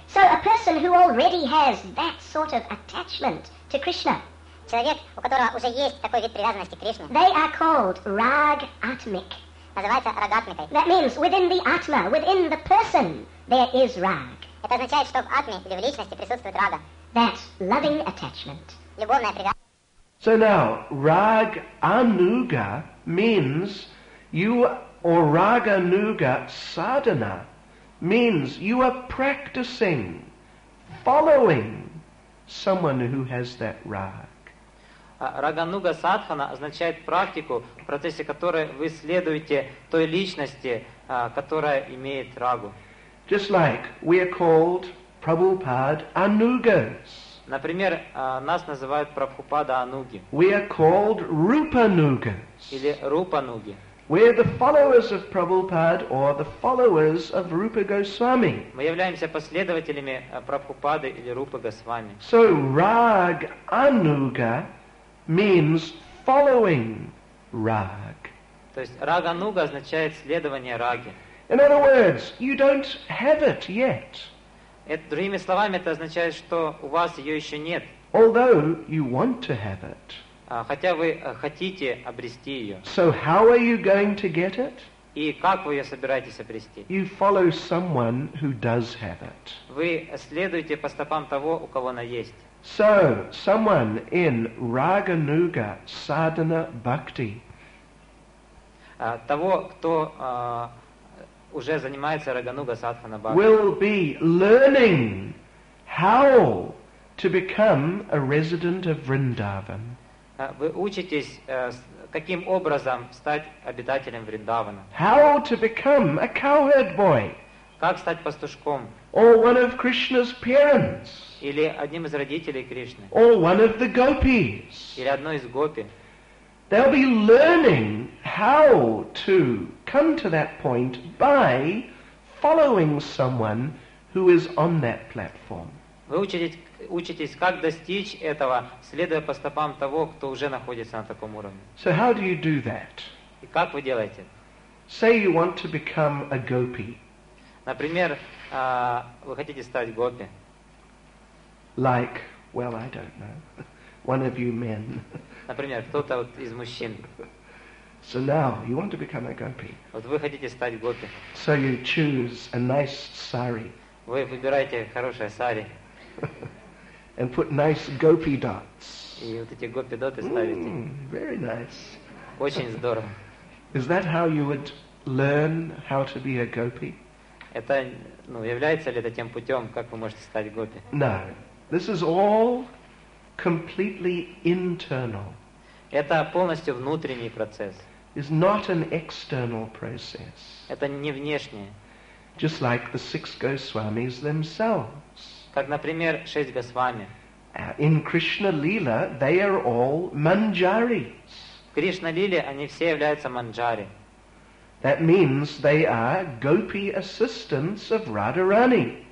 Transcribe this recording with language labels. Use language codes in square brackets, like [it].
[en] So a person who already has that sort of attachment to Krishna. [ru] Человек, у которого уже есть такой вид привязанности к Кришне. [en] They are called rag atmic. [ru] Называется рог атмикой. [en] That means within the atma, within the person, there is rag. [ru] Это означает, что в атме или в личности присутствует рага. [en] That loving attachment. [ru] Любовная привязанность. [en] So now, rag anuga means you, or rag anuga sadhana means you are practicing, following someone who has that rag. [ru] Рагануга садхана означает практику, в процессе которой вы следуете той личности, которая имеет рагу. [en] Just like we are called Prabhupada Anugas. [ru] Например, нас называют Прабхупада Ануги. [en] We are called Rupanugas. [ru] Или Рупануги. [en] We are the followers of Prabhupada or the followers of Rupa Goswami. [ru] Мы являемся последователями Прабхупады или Рупы Госвами. [en] So Rag Anuga means following rag. [ru] То есть рага-нуга означает следование раге. [en] In other words, you don't have it yet. [ru] Это, другими словами, это означает, что у вас ее еще нет. [en] Although you want to have it. [ru] Хотя вы хотите обрести ее. [en] So how are you going to get it? [ru] И как вы ее собираетесь обрести? [en] You follow someone who does have it. [ru] Вы следуете по стопам того, у кого она есть. [en] So, someone in Raganuga Sadhana Bhakti. [ru] Того, кто уже занимается Рагануга Садхана Бхакти. [en] Will be learning how to become a resident of Vrindavan. [ru] Вы учитесь, каким образом стать обитателем Вриндавана. [en] How to become a cowherd boy. [ru] Как стать пастушком. [en] Or one of Krishna's parents. [ru] Или одним из родителей Кришны. [en] Or one of the gopis. [ru] Или одной из гопи. [en] They'll be learning how to come to that point by following someone who is on that platform. [ru] Вы учитесь, как достичь этого, следуя по стопам того, кто уже находится на таком уровне. [en] So how do you do that? [ru] И как вы делаете? [en] Say you want to become a gopi. [ru] Например, вы хотите стать гопи. [en] Like, well, I don't know, one of you men. [ru] Например, кто-то вот из мужчин. [en] So now, you want to become a gopi. [ru] Вот вы хотите стать гопи. [en] So you choose a nice sari. [ru] Вы выбираете хорошее сари. [en] And put nice gopi dots. [ru] И вот эти гопи доты ставите. [en] Very nice. [ru] Очень здорово. [en] Is that how you would learn how to be a gopi? [ru] Это, ну, является ли это тем путем, как вы можете стать гопи? [en] No. This is all completely internal. [ru] Это полностью внутренний процесс. [en] It's not an external process. [ru] Это не внешнее. [en] Just like the six Goswamis themselves. [ru] Как, например, шесть Госвами. [en] In Krishna Lila, they are all manjaris. [ru] В Кришна Лиле они все являются манджари. [en] That means they are gopi assistants of Radharani.